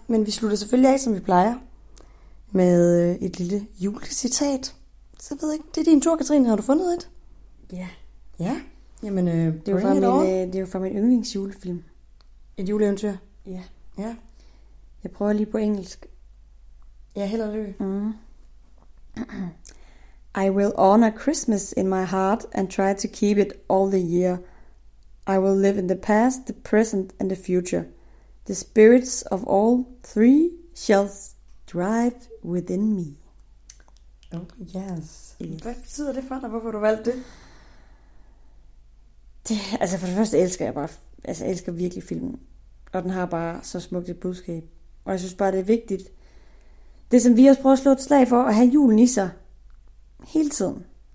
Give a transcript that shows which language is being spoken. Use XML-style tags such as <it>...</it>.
<da>Men vi slutter selvfølgelig af, som vi plejer. Med et lille julecitat. Så ved jeg ikke, det er din tur, Katrine. Har du fundet et? Ja. Ja? Jamen, det er jo fra min yndlingsjulefilm. Et juleeventyr? Ja. Ja. Jeg prøver lige på engelsk. Ja, held og lykke. Mm.</da> <en>I will honor Christmas in my heart and try to keep it all the year. I will live in the past, the present and the future. The spirits of all three shall thrive within me. Oh, yes.</en> <da>Hvad betyder det for dig? Hvorfor du valgte det? Altså, for det første elsker jeg virkelig filmen. Og den har bare så smukt et budskab. Og jeg synes bare, det er vigtigt. Det, som vi også prøver at slå et slag for, at have julen i sig. Hele tiden.</da>